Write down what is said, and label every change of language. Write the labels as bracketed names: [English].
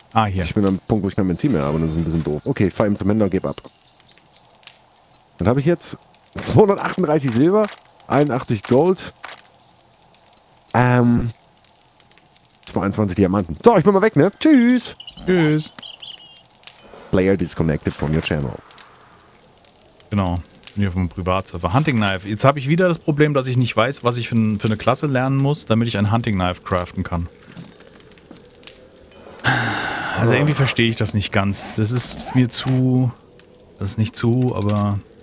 [German] Ah, hier. Ich bin am Punkt, wo ich kein Benzin mehr habe, das ist ein bisschen doof. Okay, fahr ihm zum Händler, gib ab. Dann habe ich jetzt 238 Silber, 81 Gold, 22 Diamanten. So, ich bin mal weg, ne? Tschüss! Tschüss! [English] Player disconnected from your channel. [German] Genau. Hier auf dem Privatserver. Hunting Knife. Jetzt habe ich wieder das Problem, dass ich nicht weiß, was ich für eine Klasse lernen muss, damit ich ein Hunting Knife craften kann. Also irgendwie verstehe ich das nicht ganz. Das ist mir zu... Das ist nicht zu, aber...